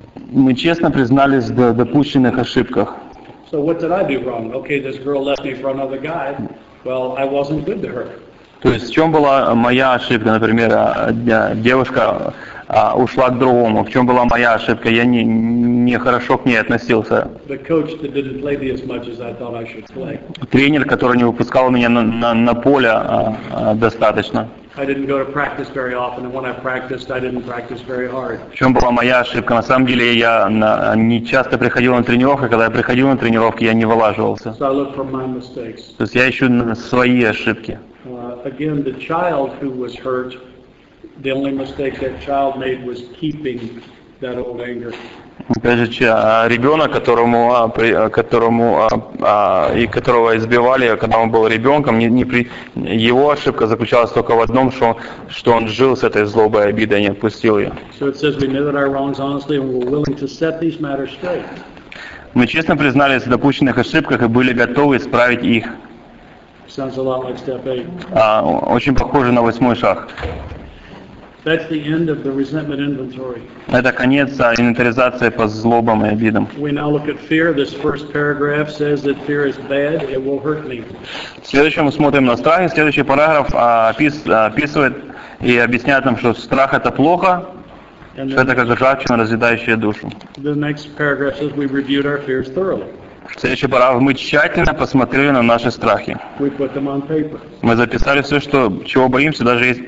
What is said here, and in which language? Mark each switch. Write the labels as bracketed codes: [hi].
[ru] Мы честно признались в допущенных ошибках. [en] So what did I do wrong? Okay, this girl left me for another guy. Well, I wasn't good to her. [ru] То есть в чем была моя ошибка, например, девушка ушла к другому. В чем была моя ошибка? Я не хорошо к ней относился. [en] The coach that didn't play me as much as I thought I should play. [ru] Тренер, который не выпускал меня на поле достаточно. [en] I didn't go to practice very often, and when I practiced, I didn't practice very hard. [ru] В чем была моя ошибка? На самом деле я не часто приходил на тренировки. Когда я приходил на тренировки, я не вылаживался. [en] So I look for my mistakes. [ru] То есть я ищу свои ошибки. [en] Again, the child who was hurt. The only mistake that child made was keeping that old anger. [ru] Опять же, ребенок, которого избивали, когда он был ребенком, его ошибка заключалась только в одном, что он жил с этой злобой, обидой, не отпустил ее. [en] So it says we knew that our wrongs honestly, and we're willing to set these matters straight. [ru] Мы честно признались в допущенных ошибках и были готовы исправить их. [en] Sounds a lot like step eight. [ru] Очень похоже на восьмой шаг. [en] That's the end of the resentment inventory. [ru] Это конец инвентаризации по злобам и обидам. [en] We now look at fear. This first paragraph says that fear is bad. It will hurt me. [ru] Следующее мы смотрим на страх. Следующий параграф описывает и объясняет нам, что страх это плохо, что это как ржавчина, разъедающая душу. [en] The next paragraph says we reviewed our fears thoroughly. [ru] Следующий параграф. Мы тщательно посмотрели на наши страхи. Мы записали все, чего боимся, даже